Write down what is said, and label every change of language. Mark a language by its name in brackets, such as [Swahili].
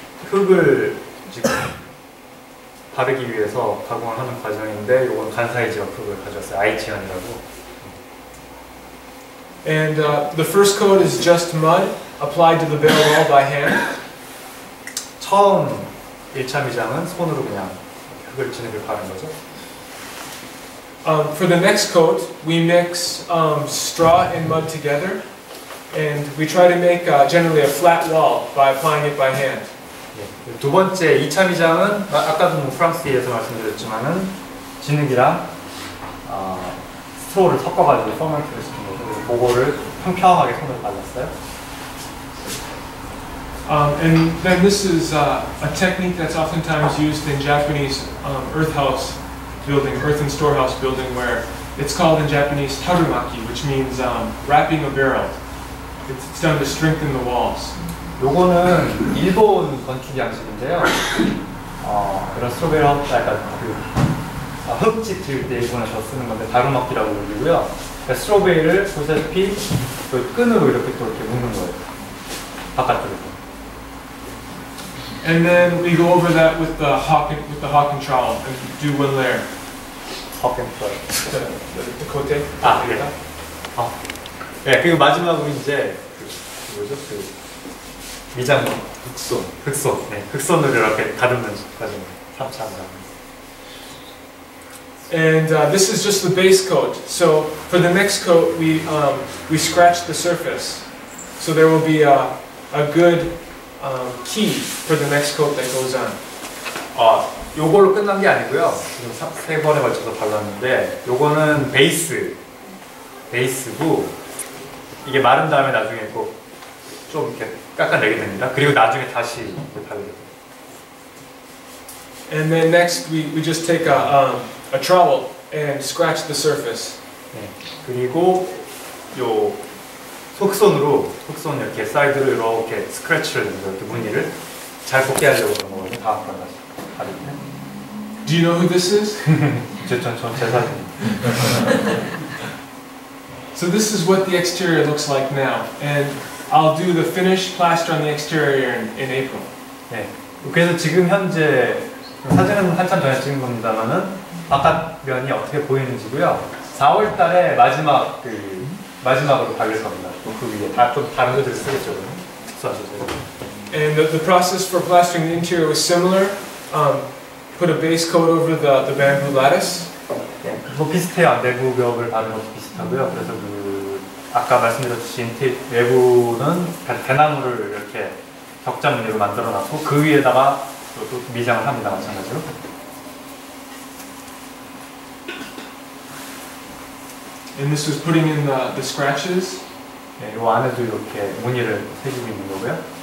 [Korean] 흙을 지금 바르기 위해서 가공을 하는 과정인데 이건 간사이 지역 흙을 가져왔어요. 아이치현이라고. [English] And the first coat is just mud applied to the bale wall by hand. [Korean] 처음 1차 미장은 손으로 그냥 흙을 진흙을 바른 거죠. [English] For the next coat, we mix straw and mud together. And we try to make generally a flat wall by applying it by hand. [Korean] 두 번째 2차 미장은 아까도 프랑스에서 말씀드렸지만은 진흙이랑 스트로를 섞어가지고 퍼멘트를 시킨 거죠. 그거를 평평하게 손으로 발랐어요. [English] And then this is a technique that's oftentimes used in Japanese earth house building, earthen storehouse building, where it's called in Japanese tarumaki, which means wrapping a barrel. It's done to strengthen the walls. [Korean] 요거는 일본 건축 양식인데요. 그런 스트로베일 약간 그 흙집 지을 때 일본에서 쓰는 건데 다루마키라고 불리고요. 그러니까 스트로베일을 보시다시피 그 끈으로 이렇게 또 이렇게 묶는 거예요. 바깥쪽으로. [English] And then we go over that with the hawk and, with the hawk and trowel and do one layer. Hawk and trowel. The coat에. [Korean] 아, 그래요? 네, 그리고 마지막으로 이제 뭐죠? 그 미장 흑손. 흑손. 네, 흑손으로 이렇게 다듬는 과정. 3차 미장. [English] And this is just the base coat. So for the next coat, we scratch the surface. So there will be a good key for the next coat that goes on. [Korean] 요걸로 끝난 게 아니고요. 지금 세 번에 걸쳐서 발랐는데 요거는 베이스고 이게 마른 다음에 나중에 꼭 좀 이렇게 깎아내게 됩니다. 그리고 나중에 다시 바르게 됩니다. [English] And then next we just take a trowel and scratch the surface. [Korean] 네. 그리고 요 흑손으로 흑손 이렇게 사이드로 이렇게 스크래치를 해서 그 무늬를 잘 뽑게 하려고 그런 거거든요. 다 바르게 됩니다. [English] Do you know who this is? [Korean] 제 사진. [English] So this is what the exterior looks like now, and I'll do the finished plaster on the exterior in April. [Korean] 네, 그래서 지금 현재 사진은 한참 전에 찍은 겁니다만은 바깥 면이 어떻게 보이는지고요. 4월 달에 마지막 그 마지막으로 바를 겁니다. 그 위에 다 좀 다른 것들 쓰겠죠. 써주세요. [English] And the process for plastering the interior was similar. Put a base coat over the bamboo lattice. [Korean] 네, 뭐 비슷해요. 내부 벽을 바르는 것도 비슷하고요. 그래서 그 아까 말씀드렸듯이 내부는 대나무를 이렇게 격자 무늬로 만들어놨고 그 위에다가 또 미장을 합니다. 마찬가지로. [English] And this was putting in the scratches. [Korean] 네, 이 안에도 이렇게 무늬를 새기고 있는 거고요.